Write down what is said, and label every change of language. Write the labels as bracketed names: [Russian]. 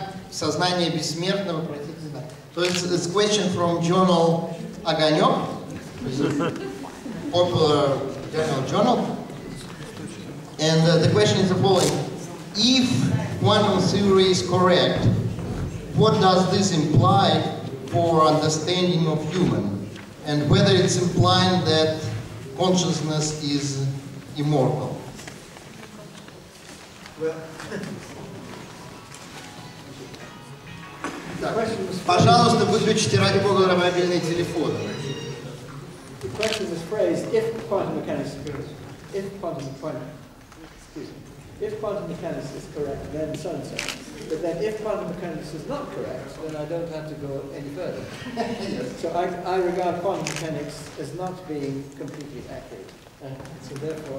[Russian] Сознание бессмертного противника. [English] So it's a question from journal Огонек, popular journal. And the question is the following. If quantum theory is correct, what does this imply for understanding of human? And whether it's implying that consciousness is immortal? [Russian] Пожалуйста, выключите ради бога мобильный телефон. [English] The question is phrased, if quantum mechanics is correct, then so and so. But then if quantum mechanics is not correct, then I don't have to go any further. So I regard quantum mechanics as not being completely accurate.